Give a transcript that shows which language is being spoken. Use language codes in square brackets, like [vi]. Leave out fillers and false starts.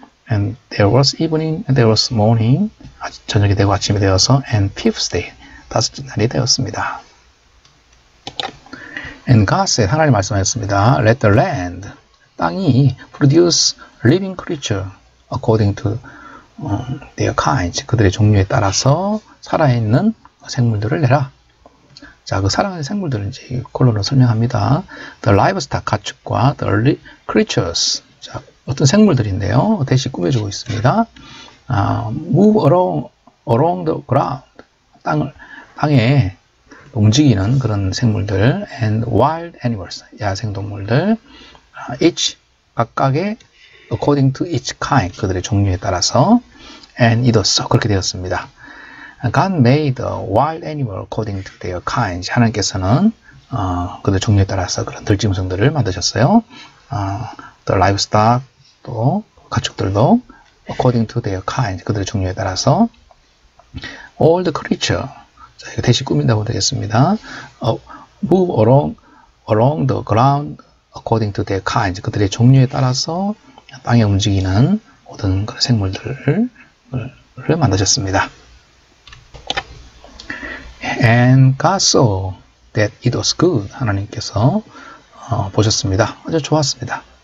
[en] And there was evening, and there was morning. [ko] 저녁이 되고 아침이 되어서. [en] And fifth day. [ko] 다섯째 날이 되었습니다. [en] And God said, [ko] 하나님 말씀하셨습니다. [en] Let the land, [ko] 땅이 [en] produce living creature according to their kind, [ko] 그들의 종류에 따라서 살아있는 생물들을 내라. 자, 그 살아있는 생물들을 이제 콜론으로 설명합니다. [en] The livestock, [ko] 가축과 [en] the creatures, [ko] 자, 어떤 생물들인데요. 대신 꾸며주고 있습니다. [en] Move along the ground, [ko] 땅에 움직이는 그런 생물들, [en] and wild animals, [ko] 야생동물들, [en] each, [ko] 각각의, [en] according to each kind, [ko] 그들의 종류에 따라서, [en] and it was, [ko] 그렇게 되었습니다. [en] God made a wild animal according to their kind. [ko] 하나님께서는, 그들의 종류에 따라서 그런 들짐승들을 만드셨어요. [en] The livestock, [ko] 또, 가축들도, [en] according to their kind, [ko] 그들의 종류에 따라서, [en] all the creature, [ko] 자, 이거 대신 꾸민다고 되겠습니다. [en] Move along the ground according to their kind. [ko] 그들의 종류에 따라서 땅에 움직이는 모든 그런 생물들을 만드셨습니다. [en] And God saw that it was good. [ko] 하나님께서 보셨습니다. 아주 좋았습니다.